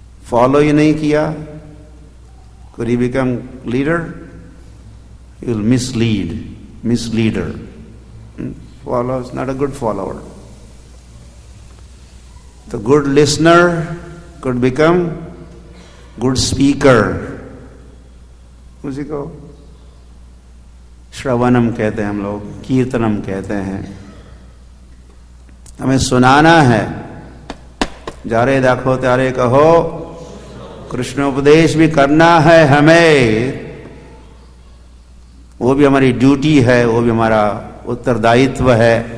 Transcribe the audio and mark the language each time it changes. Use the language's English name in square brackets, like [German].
[English] Follow ही नहीं किया could he become leader? He'll mislead, misleader. Follows not a good follower. The good listener could become good speaker. [Hindi] उसी को श्रवणम कहते हैं हम लोग, कीर्तनम कहते हैं। हमें सुनाना है, जा रहे देखो त्यारे कहो, कृष्ण उपदेश भी करना है हमें, वो भी हमारी ड्यूटी है, वो भी हमारा उत्तरदायित्व है।